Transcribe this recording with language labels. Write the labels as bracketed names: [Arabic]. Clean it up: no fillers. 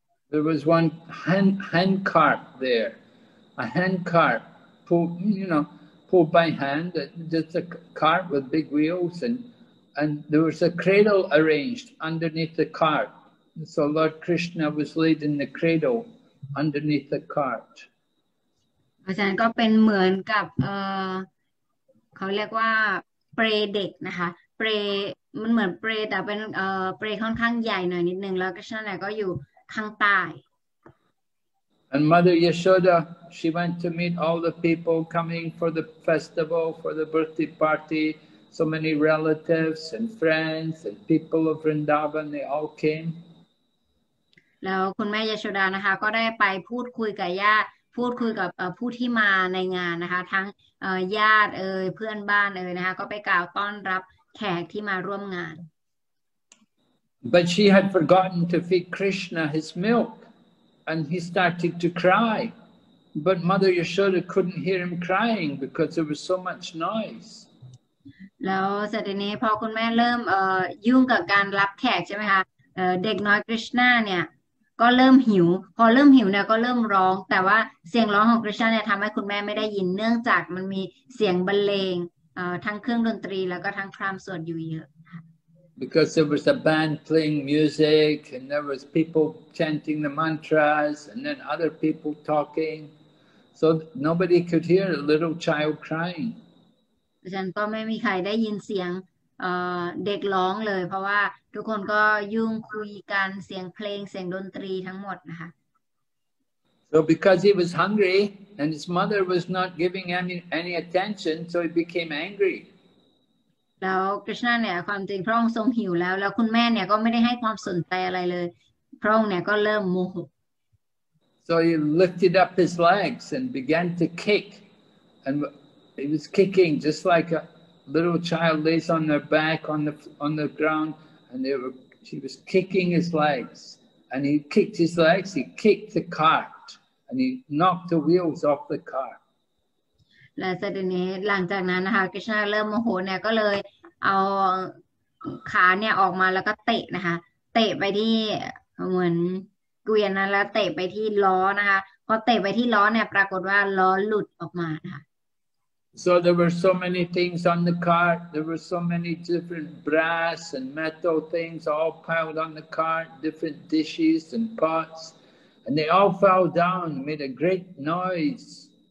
[English] There was one hand cart there, a hand cart pulled by hand, just a cart with big wheels, and there was a cradle arranged underneath the cart. And so Lord Krishna was laid in the cradle underneath the cart. [Thai] อาจารย์ก็เป็นเหมือนกับเขาเรียกว่าเปรเด็กนะคะเปรมันเหมือนเปรแต่เป็นเปรค่อนข้างใหญ่หน่อยนิดนึงแล้วก็ฉะนั้นก็อยู่ข้างใต้ [English] And Mother Yashoda, she went to meet all the people coming for the festival, for the birthday party. So many relatives and friends and people of Vrindavan, they all came. [Thai] แล้วคุณแม่ยชโดานะคะก็ได้ไปพูดคุยกับญาติพูดคุยกับผู้ที่มาในงานนะคะทั้งญาติเอ่ยเพื่อนบ้านเอ่ยนะคะก็ไปกล่าวต้อนรับแขกที่มาร่วมงาน [English] But she had forgotten to feed Krishna his milk. And he started to cry, but Mother Yashoda couldn't hear him crying because there was so much noise. [Thai] แล้วเสร็จทีนี้พอคุณแม่เริ่มยุ่งกับการรับแขกใช่ไหมคะเด็กน้อยกฤษณาเนี่ยก็เริ่มหิวพอเริ่มหิวเนี่ยก็เริ่มร้องแต่ว่าเสียงร้องของกฤษณาเนี่ยทำให้คุณแม่ไม่ได้ยินเนื่องจากมันมีเสียงบรรเลงทั้งเครื่องดนตรีแล้วก็ทั้งพราหมณ์สวดอยู่เยอะ [English] Because there was a band playing music, and there was people chanting the mantras, and then other people talking, so nobody could hear a little child crying. [Thai] ฉันก็ไม่มีใครได้ยินเสียงเด็กร้องเลยเพราะว่าทุกคนก็ยุ่งคุยกันเสียงเพลงเสียงดนตรีทั้งหมดนะคะ [English] So because he was hungry, and his mother was not giving him any attention, so he became angry. [Thai] แล้วกฤษณะเนี่ยความจริงพระองค์ทรงหิวแล้วแล้วคุณแม่เนี่ยก็ไม่ได้ให้ความสนใจอะไรเลยพระองค์เนี่ยก็เริ่มโมโห [English] So he lifted up his legs and began to kick and he was kicking just like a little child lays on their back on the ground and he was kicking his legs and he kicked his legs he kicked the cart and he knocked the wheels off the cart [Thai] และเสร็จนี้หลังจากนั้นนะคะกฤษณาเริ่มโมโหเนี่ยก็เลยเอาขาเนี่ยออกมาแล้วก็เตะนะคะเตะไปที่เหมือนเกวียนนะแล้วเตะไปที่ล้อนะคะพอเตะไปที่ล้อเนี่ยปรากฏว่าล้อหลุดออกมาค่ะ [English] So there were so many things on the cart. There were so many different brass and metal things all piled on the cart, different dishes and pots, and they all fell down, made a great noise.